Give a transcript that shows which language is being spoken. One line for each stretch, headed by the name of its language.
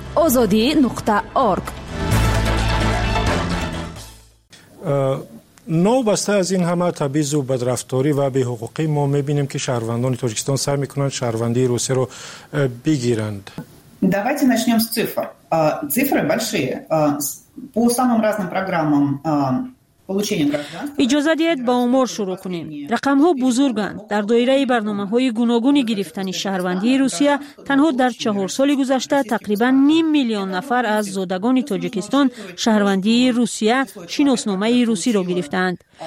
Persian: آزادی نقطه آرگ. نو بسته از این همه تبعیض و بدرفتاری و بی حقوقی ما میبینیم که شهروندان تاجیکستان سعی میکنند شهروندی روسیه رو بگیرند.
Russian: Давайте начнем с цифр. Цифры большие. По самым разным программам
Persian: اجازه دید با امور شروع کنیم. رقم ها بزرگند. در دایره برنامه های گوناگون گرفتن شهروندی روسیه تنها در 4 سال گذشته تقریبا 500,000 نفر از زادگان تاجیکستان شهروندی روسیه شناسنامه روسی را گرفتند.